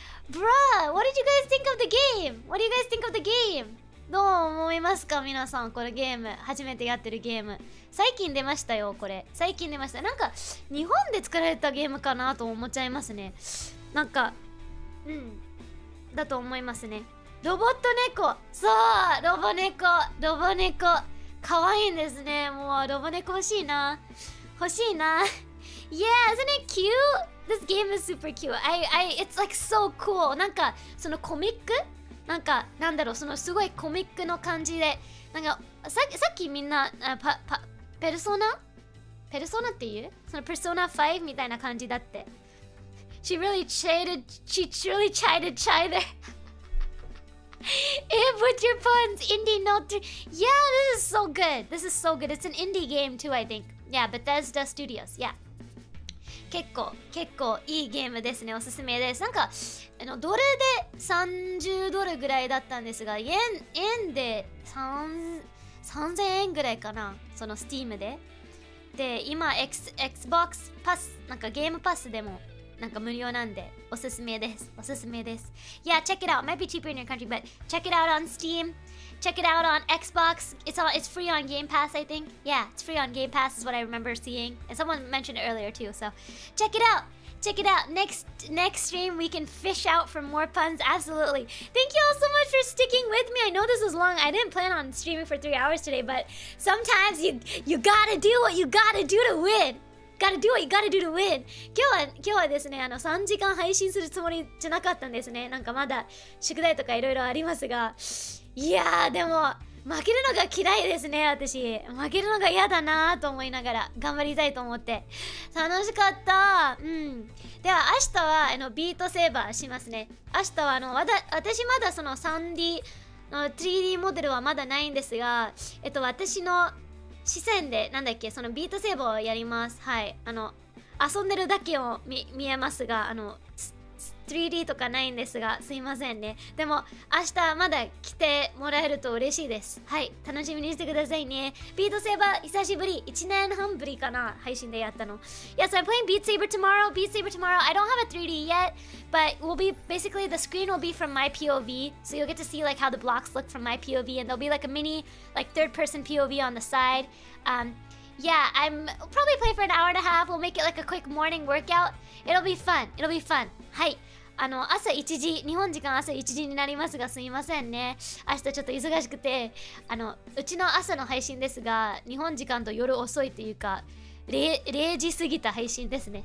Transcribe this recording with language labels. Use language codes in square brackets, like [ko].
[en] Bruh, what did you guys think of the game? What do you guys think of the game? [ja] どう思いますか皆さん、このゲーム、初めてやってるゲーム、最近出ましたよ、これ。最近出ました。なんか日本で作られたゲームかなと思っちゃいますね。なんか、うん、だと思いますね。ロボット猫、そう、ロボ猫、ロボ猫可愛いんですね。もうロボ猫欲しいな、欲しいな。 [en] Yeah, isn't it cute? This game is super cute. It's like so cool. [ja] なんかそのコミック、なんか、なんだろう、そのすごいコミックの感じで、なんか、さっきみんな、ペルソナ?ペルソナっていう? そのペルソナ5みたいな感じだって。 [en] She really chided, she truly chided chider. And put your puns, indie note. Yeah, this is so good. This is so good. It's an indie game too, I think. Yeah, Bethesda Studios. Yeah. [ja] 結構いいゲームですね。おすすめです。なんかドルで30ドルぐらいだったんですが、円で3000円ぐらいかな、そのスティームで。で、今 Xbox パス、なんかゲームパスでもなんか無料なんで、おすすめです、おすすめです。 [en] Yeah, check it out. Might be cheaper in your country, but check it out on Steam. Check it out on Xbox. It's free on Game Pass, I think. Yeah, it's free on Game Pass is what I remember seeing. And someone mentioned it earlier too, so check it out. Check it out. Next stream, we can fish out for more puns. Absolutely. Thank you all so much for sticking with me. I know this is long. I didn't plan on streaming for 3 hours today, but sometimes you gotta do what you gotta do to win. Gotta do what you gotta do to win! [ja] 今日はですね、3時間配信するつもりじゃなかったんですね。なんかまだ宿題とかいろいろありますが。いやー、でも、負けるのが嫌いですね、私。負けるのが嫌だなーと思いながら、頑張りたいと思って。楽しかったー。うん。では、明日は、ビートセーバーしますね。明日は、私まだその 3D の 3D モデルはまだないんですが、私の、視線で、なんだっけ、そのビートセーバーをやります。はい、遊んでるだけを見えますが、 3D とかないんですが、すいませんね。でも明日まだ来てもらえると嬉しいです。はい、楽しみにしてくださいね。ビートセーバー久しぶり、1年半ぶりかな、配信でやったの。 [en] Yes, I'm playing Beat Saber tomorrow. Beat Saber tomorrow. I don't have a 3D yet, but we'll be basically the screen will be from my POV, so you'll get to see like how the blocks look from my POV, and there'll be like a mini like third person POV on the side. Yeah, I'm probably play for an hour and a half. We'll make it like a quick morning workout. It'll be fun. [ja] はい、朝1時、日本時間朝1時になりますが、すみませんね。明日ちょっと忙しくて、うちの朝の配信ですが、日本時間と夜遅いというか、0時過ぎた配信ですね。